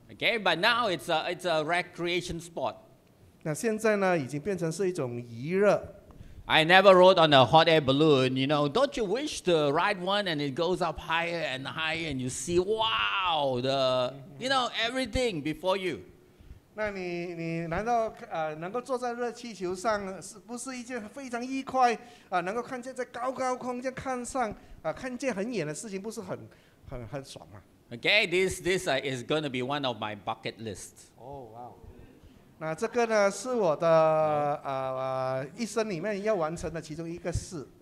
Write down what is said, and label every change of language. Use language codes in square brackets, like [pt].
[en] Okay, but now it's a recreation sport. [zh] 那现在呢，已经变成是一种娱乐。 [en] I never rode on a hot air balloon, you know. Don't you wish to ride one and it goes up higher and higher and you see, wow, the, you know, everything before you? [zh] 那你难道能够坐在热气球上，是不是一件非常愉快能够看见在高高空间看上看见很远的事情，不是很爽吗？ [en] Okay, this is going to be one of my bucket list. Oh, wow. [zh] 那这个呢是我的一生里面要完成的其中一个事。